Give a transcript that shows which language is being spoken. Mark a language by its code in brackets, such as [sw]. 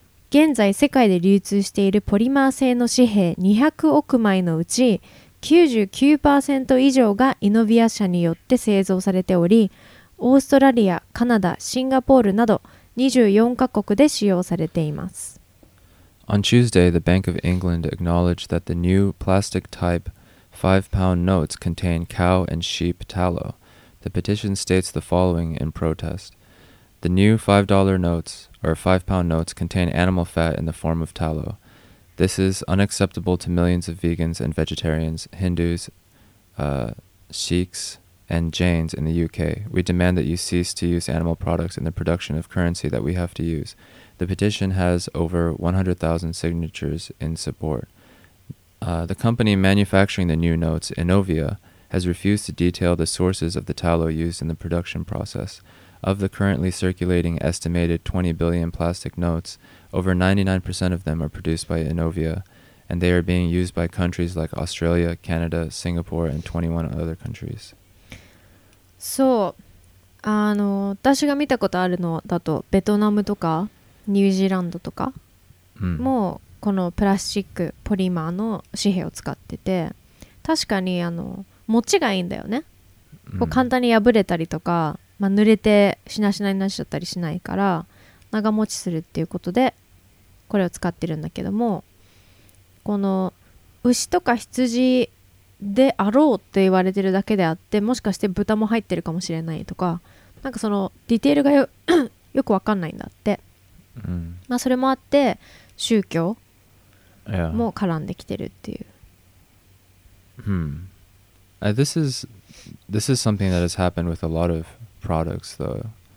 [ja] 現在世界で流通しているポリマー製の紙幣200億枚のうち 99% 以上がイノビア社によって製造されており、オーストラリア、カナダ、シンガポールなど24カ国で使用されています。 [en] On Tuesday, the Bank of England acknowledged that the new plastic type 5-pound notes contain cow and sheep tallow. The petition states the following in protest. The new $5 notes or 5-pound notes contain animal fat in the form of tallow. This is unacceptable to millions of vegans and vegetarians, Hindus, Sikhs, and Jains in the UK. We demand that you cease to use animal products in the production of currency that we have to use. The petition has over 100,000 signatures in support. The company manufacturing the new notes, Inovia, has refused to detail the sources of the tallow used in the production process. Of the currently circulating estimated 20 billion plastic notes, over 99% of them are produced by Inovia, and they are being used by countries like Australia, Canada, Singapore, and 21 other countries. [ja] そう、あの、私が見たことあるのだと、ベトナムとかニュージーランドとかもこのプラスチックポリマーの紙幣を使ってて、確かにあの持ちがいいんだよね。こう簡単に破れたりとか、まあ、濡れてしなしなになっちゃったりしないから長持ちするっていうことでこれを使ってるんだけども、この牛とか羊であろうって言われてるだけであって、もしかして豚も入ってるかもしれないとか、なんかそのディテールが よくわかんないんだって、うん、まあ、それもあって宗教も絡んできてるっていう、 [en] yeah. This is something that has happened with a lot ofproducts though.